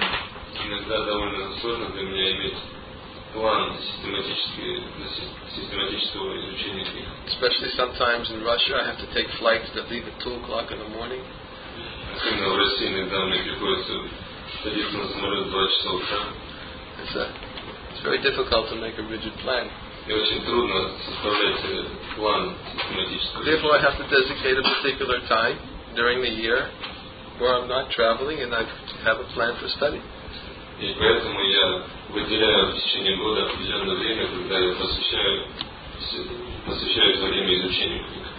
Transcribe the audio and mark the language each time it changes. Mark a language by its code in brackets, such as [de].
[en] Especially sometimes in Russia, I have to take flights that leave at 2 o'clock in the morning. It's very difficult to make a rigid plan. [ru] И очень трудно составлять план систематического. [en] Therefore, I have to designate a particular time during the year where I'm not traveling and I have a plan for study. [ru] И поэтому я выделяю в течение года определенное время, когда я посвящаю время изучению книг.